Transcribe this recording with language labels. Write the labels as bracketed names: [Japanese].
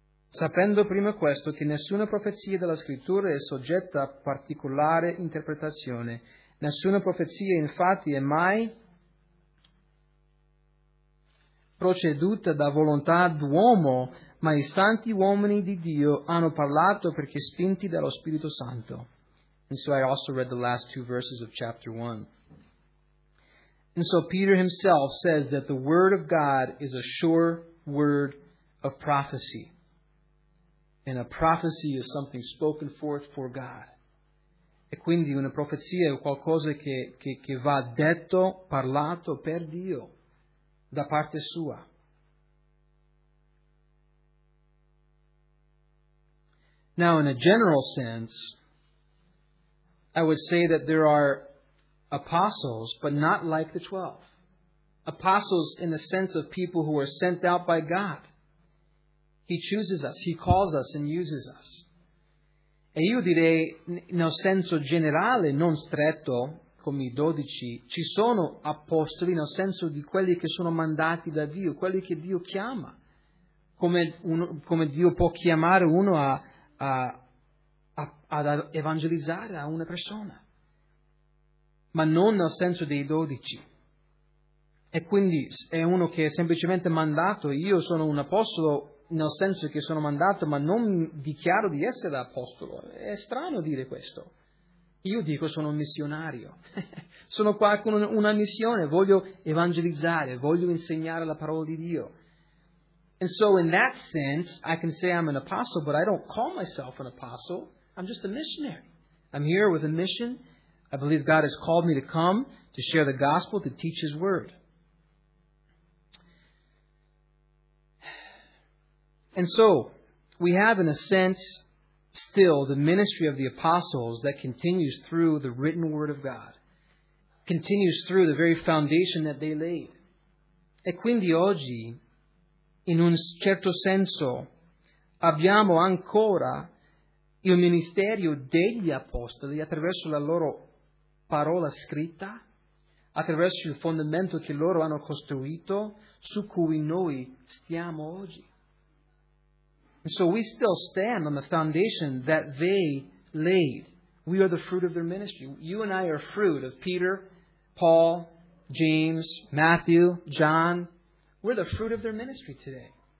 [Italian] Sapendo prima questo, che nessuna profezia della Scrittura è soggetta a particolare interpretazione, nessuna profezia infatti è mai proceduta da volontà d'uomo, ma i santi uomini di Dio hanno parlato perché spinti dallo Spirito Santo. [English] And so I also read the last two verses of chapter 1. And so Peter himself says that the word of God is a sure word of prophecy. And a prophecy is something spoken forth for God. [Italian] E quindi una profezia è qualcosa che va detto, parlato per Dio, da parte sua. [English] Now, in a general sense, I would say that there are apostles, but not like the 12. Apostles in the sense of people who are sent out by God. He chooses us, he calls us and uses us. [Italian] E io direi, nel senso generale, non stretto, come i dodici, ci sono apostoli nel senso di quelli che sono mandati da Dio, quelli che Dio chiama, come Dio può chiamare uno ad evangelizzare a una persona, ma non nel senso dei dodici. E quindi è uno che è semplicemente mandato. Io sono un apostolo nel senso che sono mandato, ma non dichiaro di essere apostolo. È strano dire questo. Io dico sono un missionario. Sono qua con una missione, voglio evangelizzare, voglio insegnare la parola di Dio. [English] And so in that sense, I can say I'm an apostle, but I don't call myself an apostle. I'm just a missionary. I'm here with a mission. I believe God has called me to come to share the gospel, to teach his word. And so, we have in a sense still the ministry of the apostles that continues through the written word of God, continues through the very foundation that they laid. [Italian] E quindi oggi, in un certo senso, abbiamo ancora il ministerio degli apostoli attraverso la loro parola scritta, attraverso il fondamento che loro hanno costruito, su cui noi stiamo oggi. [English] And so we still stand on the foundation that they laid. We are the fruit of their ministry. You and I are fruit of Peter, Paul, James, Matthew, John. We're the fruit of their ministry today.